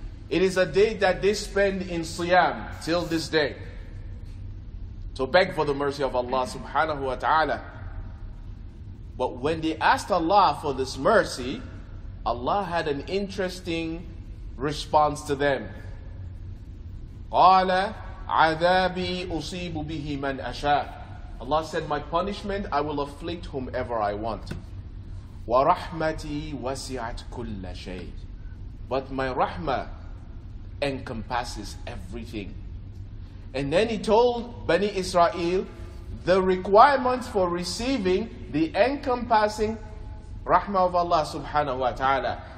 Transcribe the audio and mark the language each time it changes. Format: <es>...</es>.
<en>It is a day that they spend in Siyam till this day. So beg for the mercy of Allah subhanahu wa ta'ala. But when they asked Allah for this mercy, Allah had an interesting response to them.</en> <ar>قَالَ عَذَابِي أُصِيبُ بِهِ مَنْ أَشَاء.</ar> <en>Allah said, my punishment, I will afflict whomever I want.</en> <ar>وَرَحْمَتِي وَسِعَتْ كُلَّ شَيْءٍ.</ar> <en>But my rahmah encompasses everything. And then he told Bani Israel, the requirement for receiving the encompassing rahmah of Allah subhanahu wa ta'ala.</en>